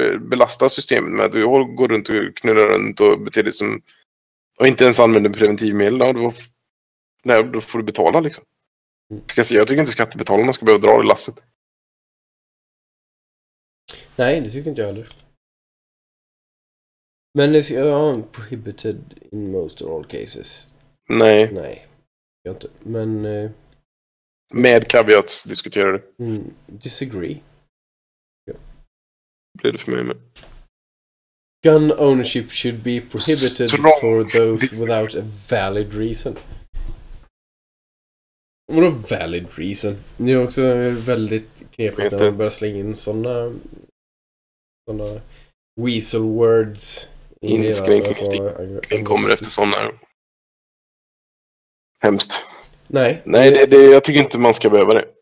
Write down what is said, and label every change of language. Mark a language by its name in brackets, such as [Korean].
[Swedish] Belasta systemet med att du går runt och knurrar runt och beter dig som... Och inte ens använder preventivmedel. Då får du betala liksom. Jag tycker inte skattebetalarna ska behöva dra det lasset. Nej, det tycker inte jag heller. Men det ska vara [English] prohibited in most of all cases. [Swedish] Nej. Nej, jag inte. Men... Med caveats diskuterar du. [English] Disagree. [Swedish] Blir det för mig med. [English] Gun ownership should be prohibited strong for those without a valid reason. [Swedish] Vadå [English] valid reason? [Swedish] Det är också väldigt knepigt när man börjar slänga in såna [English] weasel words. [Swedish] Inskränkning kommer efter såna. Hemskt. Nej. Nej, det, jag tycker inte man ska behöva det.